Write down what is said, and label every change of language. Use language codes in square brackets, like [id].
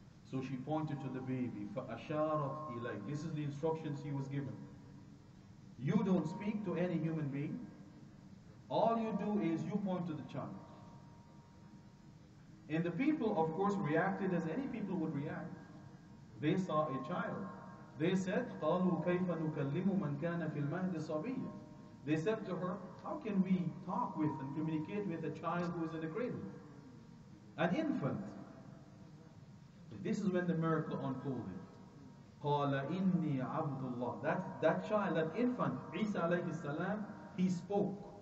[en] So she pointed to the baby, [ar] فَأَشَارَتْ إِلَيْهِ. [en] This is the instructions she was given. You don't speak to any human being. All you do is you point to the child. And the people, of course, reacted as any people would react. They saw a child. They said, [ar] قَالُوا كَيْفَ نُكَلِّمُ مَنْ كَانَ فِي الْمَهْدِ صَبِيًّا. [en] They said to her, how can we talk with and communicate with a child who is in a cradle? An infant. This is when the miracle unfolded. [ar] قَالَ إِنِّي عَبْدُ اللَّهِ. [en] That child, that infant, Isa alayhi salam, he spoke.